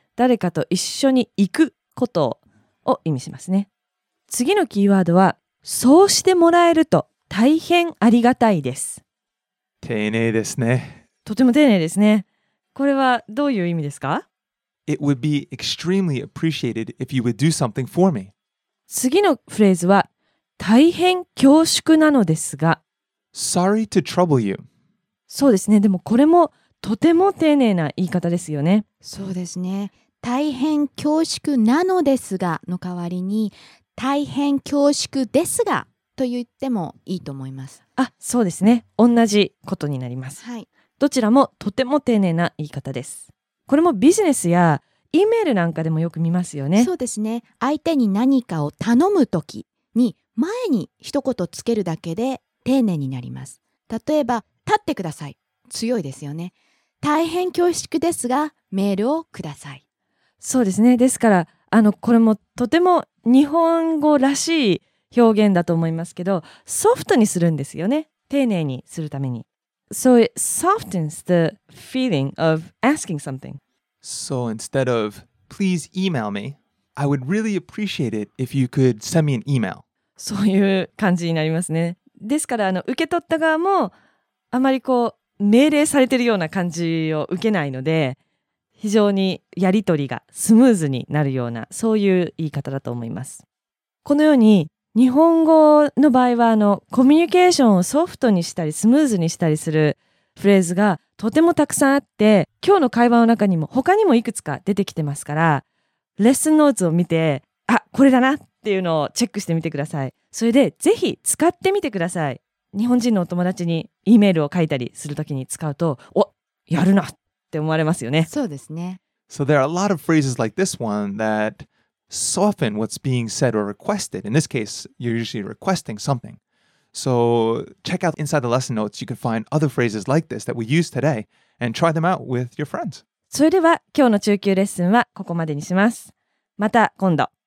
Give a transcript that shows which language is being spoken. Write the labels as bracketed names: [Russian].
[Japanese] 誰かと一緒に行くことを意味しますね。次のキーワードは、そうしてもらえると大変ありがたいです。丁寧ですね。とても丁寧ですね。これはどういう意味ですか？ [English] It would be extremely appreciated if you would do something for me. [Japanese] 次のフレーズは、大変恐縮なのですが。 [English] Sorry to trouble you. [Japanese] そうですね。でもこれもとても丁寧な言い方ですよね。そうですね。大変恐縮なのですがの代わりに、大変恐縮ですが。と言ってもいいと思います。あ、そうですね、同じことになります、はい、どちらもとても丁寧な言い方です。これもビジネスやイメールなんかでもよく見ますよね。そうですね、相手に何かを頼むときに前に一言つけるだけで丁寧になります。例えば立ってください、強いですよね。大変恐縮ですがメールをください。そうですね、ですからこれもとても日本語らしい表現だと思いますけど、ソフトにするんですよね、丁寧にするために。 [English] So it softens the feeling of asking something. So instead of please email me, I would really appreciate it if you could send me an email. [Japanese] そういう感じになりますね。ですから受け取った側もあまりこう命令されてるような感じを受けないので、非常にやり取りがスムーズになるような、そういう言い方だと思います。このように日本語の場合はコミュニケーションをソフトにしたりスムーズにしたりするフレーズがとてもたくさんあって、今日の会話の中にも他にもいくつか出てきてますから、レッスンノーツを見て、あ、これだなっていうのをチェックしてみてください。それでぜひ使ってみてください。日本人のお友達に E メールを書いたりするときに使うと、お、やるなって思われますよね。そうですね。 [English] So there are a lot of phrases like this one thatsoften what's being said or requested. In this case, you're usually requesting something. So check out inside the lesson notes. You can find other phrases like this that we use today and try them out with your friends. [Japanese] それでは今日の中級レッスンはここまでにします。また今度。